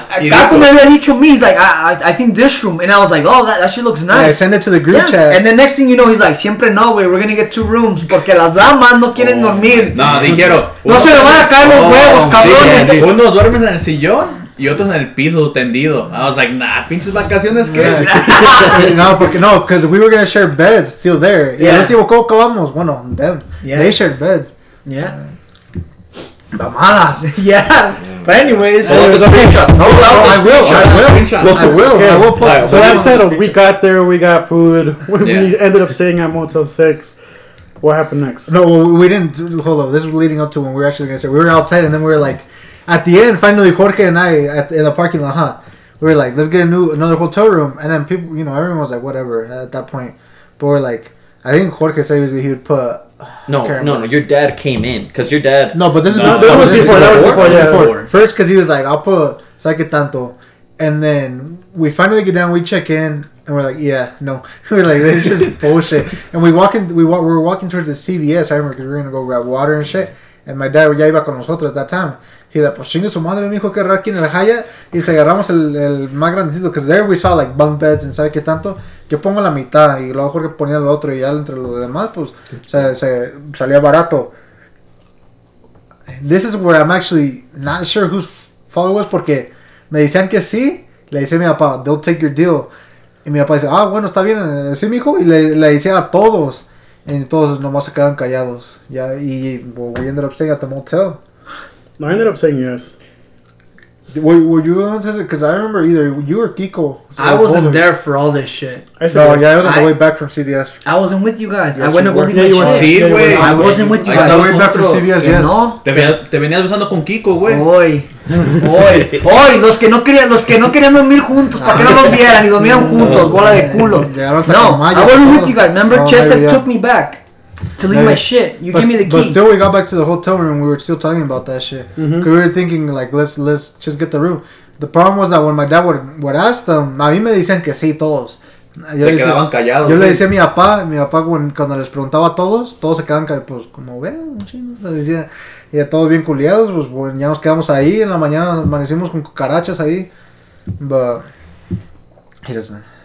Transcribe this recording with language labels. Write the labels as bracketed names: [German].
[Spanish] Caco me había dicho me. [English] He's like, I think this room. And I was like, oh, that shit looks nice. Yeah, send it to the group chat. And the next thing you know, he's like, [Spanish] siempre no, güey. [English] We're going to get two rooms. [Spanish] Porque las damas no quieren dormir. No, dijeron. No se le van a caer los huevos, cabrones. Uno duerme en el sillón. Y otros en el piso tendido. [English] I was like, nah, [Spanish] pinches vacaciones, ¿qué? No, porque no, [English] because we were going to share beds still there. [Spanish] Y el último, ¿cómo acabamos? [English] Bueno, them. Yeah. They shared beds. Yeah. Mamadas. Yeah. But anyways. Hold the screenshot. No, I will. So that said, we got there, we got food. We ended up staying at Motel 6. What happened next? No, we didn't. Hold on. This was leading up to when we were actually going to say. We were outside and then we were like, at the end, finally, Jorge and I, in the parking lot, huh? We were like, let's get another hotel room. And then people, you know, everyone was like, whatever, at that point. But we're like, I think Jorge said he would put... No, your dad came in. Because your dad... No, but this is before. That was before. First, because he was like, I'll put Psyche Tanto. And then we finally get down, we check in, and we're like, yeah, no. We're like, this is just bullshit. And we're walking towards the CVS, I remember, because we were going to go grab water and shit. And my dad [Spanish] ya iba con nosotros [English] at that time. He was like, [Spanish] pues chingue su madre, mijo, que raro aquí en el Hyatt. Y se agarramos el más grandecito. [English] Because there we saw, like, bunk beds and [Spanish] sabe qué tanto. Yo pongo la mitad. Y luego Jorge ponía el otro. Y ya entre los demás, pues, se salía barato. [English] This is where I'm actually not sure whose fault it was. [Spanish] Porque me decían que sí. Le dice a mi papá, [English] they'll take your deal. [Spanish] Y mi papá dice, ah, bueno, está bien. Sí, mijo. Y le decía a todos. Y todos nomás se quedan callados. [English] Ya, y well, we ended up staying at the motel. No, I ended up saying yes. Were you the one that said it? Because I remember either you or Kiko. So I wasn't there for all this shit. I was on the way back from CDS. I wasn't with you guys. Yes, I went to go leave my shit. [Spanish] Sí, wey. [English] I wasn't with you guys. On the way back from CDS, yes. No? [Spanish] Te venías besando con Kiko, güey. Oy. Oy. Oy. Los que no querían dormir juntos. Para que no los vieran y dormían juntos. Bola de culos. [English] No. I wasn't with you guys. Remember, Chester took me back. To leave my shit. Give me the key. But still, we got back to the hotel room. We were still talking about that shit. Mm-hmm. We were thinking, like, let's just get the room. The problem was that when my dad would ask them, [Spanish] a mí me dicen que sí todos. Yo se quedaban callados. Yo le decía a mi papá. Mi papá, cuando les preguntaba a todos, todos se quedaban callados. Pues, como, ven, chinos. Le decía, y a todos bien culiados. Pues, bueno, ya nos quedamos ahí. En la mañana amanecimos con cucarachas ahí. [English] But, he doesn't.